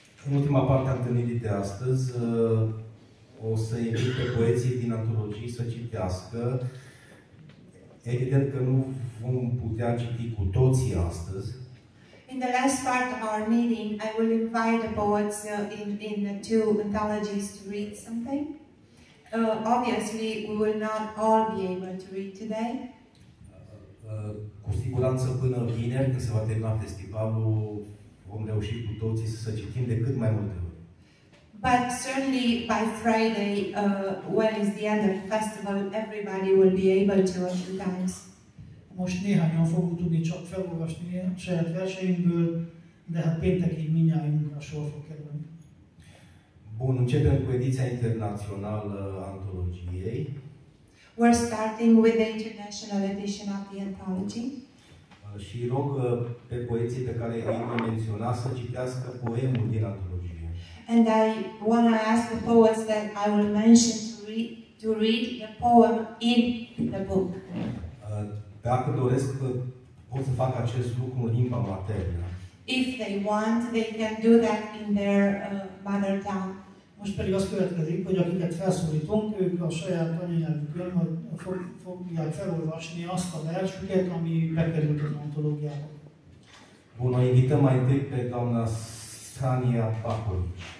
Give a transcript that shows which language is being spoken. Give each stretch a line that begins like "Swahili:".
Romanian: În ultima parte a întâlnirii de astăzi o să invit pe poeții din antologii să citească. Evident că nu vom putea citi cu toții astăzi.
English: In the last part of our meeting, I will invite the poets in the two anthologies to read something. Obviously, we will not all be able to read today.
Romanian: Cu siguranță până vineri, când se va termina festivalul, vom reuși cu toții să citim de cât mai multe ori.
English: But certainly by Friday, when is the end of the festival, everybody will be able to a few times.
Hungarian: Most néhányan fogunk tudni csak felolvasni a saját verseimből, de hát péntekig mindnyájunkra sor fog kerülni.
Romanian: Bun, începem cu ediția internațională antologiei.
English: We're starting with the international edition of the anthology.
Romanian: Și rog pe poeții pe care îi am menționat să citească poemul din antologie.
English: And I want to ask the poets that I will mention to read the poem in the book.
Romanian: Dacă doresc, pot să fac acest lucru în limba maternă.
English: If they want, they can do that in their mother tongue.
Hungarian: Most pedig azt következik, hogy akiket felszólítunk, ők a saját anyanyelvükön fogják felolvasni azt a versüket, ami bekerült az antológiába.
Romanian: Bună, invităm mai întâi pe doamna Sania Bakovic.